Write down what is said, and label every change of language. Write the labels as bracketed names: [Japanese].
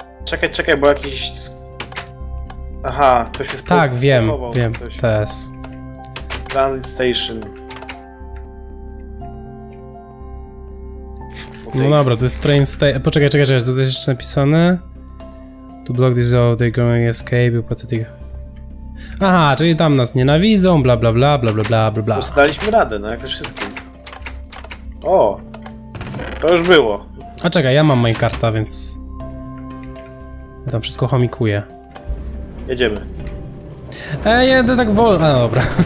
[Polish] Czekaj, czekaj, bo jakiś... Aha, ktoś jest... Tak, wiem, coś. TS. Transit Station. No dobra, to jest train station... Poczekaj, tutaj jest jeszcze napisane. [English] To block this out, they're going to escape, pathetic. [Polish] Aha, czyli tam nas nienawidzą, bla bla bla bla bla bla bla bla. Daliśmy radę, no jak ze wszystkim. O! To już było. A czekaj, ja mam moje karta, więc... Ja tam wszystko chomikuję. Jedziemy. Jedę tak wolno, no dobra.